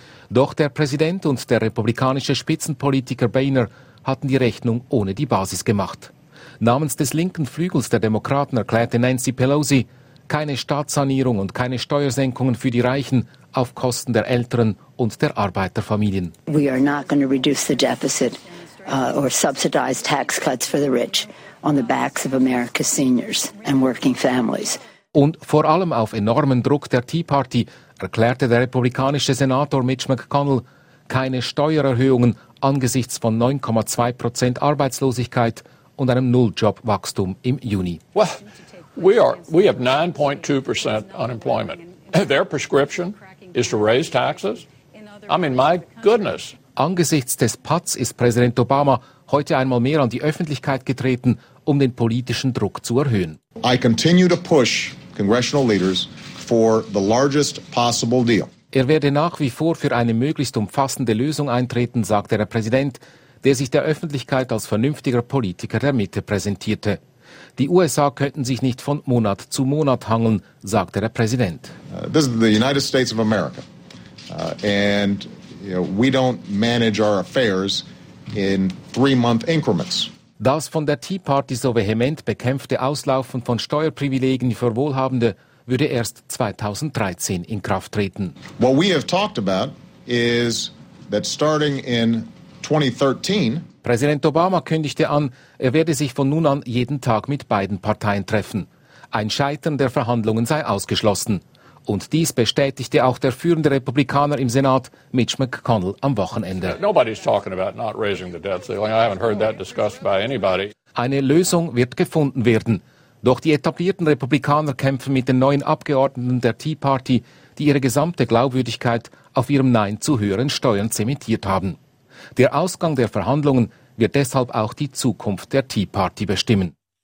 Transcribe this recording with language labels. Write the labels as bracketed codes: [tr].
[de] Doch der Präsident und der republikanische Spitzenpolitiker Boehner hatten die Rechnung ohne die Basis gemacht. Namens des linken Flügels der Demokraten erklärte Nancy Pelosi, keine Staatssanierung und keine Steuersenkungen für die Reichen auf Kosten der Älteren und der Arbeiterfamilien. [en] We are not going to reduce the deficit or subsidize tax cuts for the rich on the backs of America's seniors and working families. [de] Und vor allem auf enormen Druck der Tea Party erklärte der republikanische Senator Mitch McConnell, keine Steuererhöhungen angesichts von 9,2% Arbeitslosigkeit und einem Nulljobwachstum im Juni. [en] Well, we have 9.2% unemployment. Their prescription is to raise taxes. I mean, my goodness. [de] Angesichts des Patz ist Präsident Obama heute einmal mehr an die Öffentlichkeit getreten, um den politischen Druck zu erhöhen. [en] I continue to push congressional leaders for the largest possible deal. [de] Er werde nach wie vor für eine möglichst umfassende Lösung eintreten, sagte der Präsident, der sich der Öffentlichkeit als vernünftiger Politiker der Mitte präsentierte. Die USA könnten sich nicht von Monat zu Monat hangeln, sagte der Präsident. [en] This is the United States of America. And you know, we don't manage our affairs in 3-month increments. [de] Das von der Tea Party so vehement bekämpfte Auslaufen von Steuerprivilegien für Wohlhabende würde erst 2013 in Kraft treten. [en] What we have talked about is that starting in 2013, [de] Präsident Obama kündigte an, er werde sich von nun an jeden Tag mit beiden Parteien treffen. Ein Scheitern der Verhandlungen sei ausgeschlossen. Und dies bestätigte auch der führende Republikaner im Senat, Mitch McConnell, am Wochenende. [en] Nobody's talking about not raising the debt ceiling. I haven't heard that discussed by anybody. [de] Eine Lösung wird gefunden werden. Doch die etablierten Republikaner kämpfen mit den neuen Abgeordneten der Tea Party, die ihre gesamte Glaubwürdigkeit auf ihrem Nein zu höheren Steuern zementiert haben. Der Ausgang der Verhandlungen wird deshalb auch die Zukunft der Tea Party bestimmen.